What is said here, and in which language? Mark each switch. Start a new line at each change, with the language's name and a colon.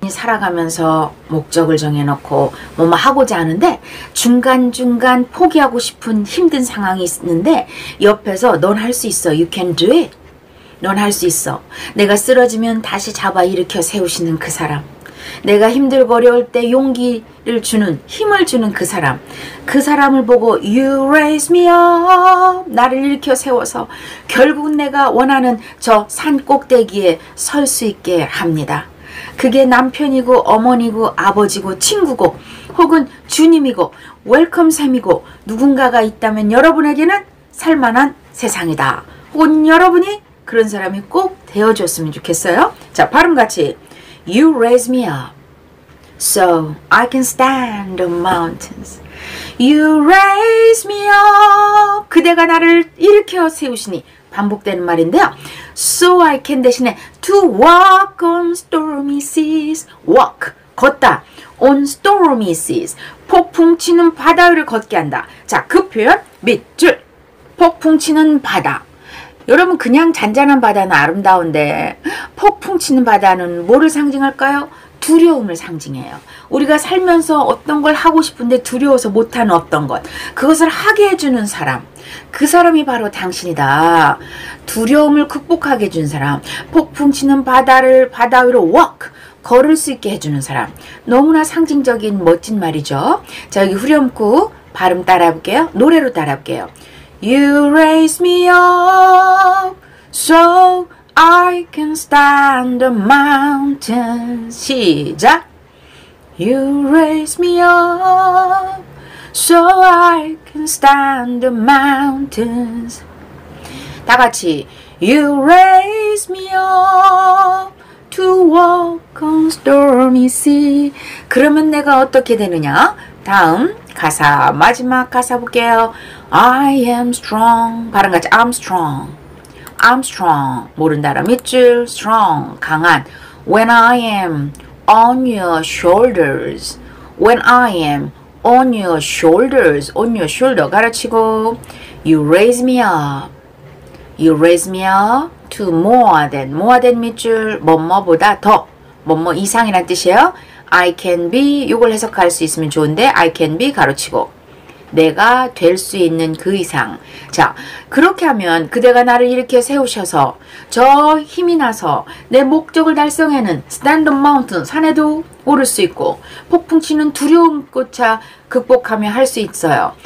Korean: 살아가면서 목적을 정해놓고 뭐뭐 하고자 하는데 중간중간 포기하고 싶은 힘든 상황이 있는데 옆에서 넌 할 수 있어.
English: You can do it.
Korean: 넌 할 수 있어. 내가 쓰러지면 다시 잡아 일으켜 세우시는 그 사람. 내가 힘들고 어려울 때 용기를 주는, 힘을 주는 그 사람. 그 사람을 보고
English: You raise me up.
Korean: 나를 일으켜 세워서 결국은 내가 원하는 저 산 꼭대기에 설 수 있게 합니다. 그게 남편이고 어머니고 아버지고 친구고 혹은 주님이고 웰컴쌤이고 누군가가 있다면 여러분에게는 살만한 세상이다. 혹은 여러분이 그런 사람이 꼭 되어줬으면 좋겠어요. 자, 발음 같이
English: You raise me up, so I can stand on mountains. You raise me up.
Korean: 그대가 나를 일으켜 세우시니 반복되는 말인데요.
English: So I can
Korean: 대신에
English: to walk on stormy seas. Walk,
Korean: 걷다.
English: On stormy seas.
Korean: 폭풍치는 바다 위를 걷게 한다. 자, 그 표현 밑줄. 폭풍치는 바다. 여러분, 그냥 잔잔한 바다는 아름다운데 폭풍치는 바다는 뭐를 상징할까요? 두려움을 상징해요. 우리가 살면서 어떤 걸 하고 싶은데 두려워서 못하는 어떤 것, 그것을 하게 해주는 사람, 그 사람이 바로 당신이다. 두려움을 극복하게 해준 사람, 폭풍치는 바다를 바다 위로 walk, 걸을 수 있게 해주는 사람. 너무나 상징적인 멋진 말이죠. 자, 여기 후렴구 발음 따라 해볼게요. 노래로 따라 해볼게요.
English: You raise me up so I can stand on mountains.
Korean: 시작.
English: You raise me up so I can stand on mountains.
Korean: 다 같이.
English: You raise me up to walk on stormy sea.
Korean: 그러면 내가 어떻게 되느냐? 다음 가사, 마지막 가사 볼게요.
English: I am strong.
Korean: 발음 같이
English: I'm strong. I'm strong.
Korean: 모른다라 밑줄.
English: Strong. 강한. When I am on your shoulders. When I am on your shoulders. On your shoulder.
Korean: 가르치고.
English: You raise me up. You raise me up to more than. More than
Korean: 밑줄. 뭐뭐보다 더. 뭐뭐 이상이란 뜻이에요.
English: I can be.
Korean: 이걸 해석할 수 있으면 좋은데. I can be. 가르치고. 내가 될 수 있는 그 이상. 자, 그렇게 하면 그대가 나를 이렇게 세우셔서 저 힘이 나서 내 목적을 달성하는
English: stand on mountain
Korean: 산에도 오를 수 있고 폭풍치는 두려움조차 극복하며 할 수 있어요.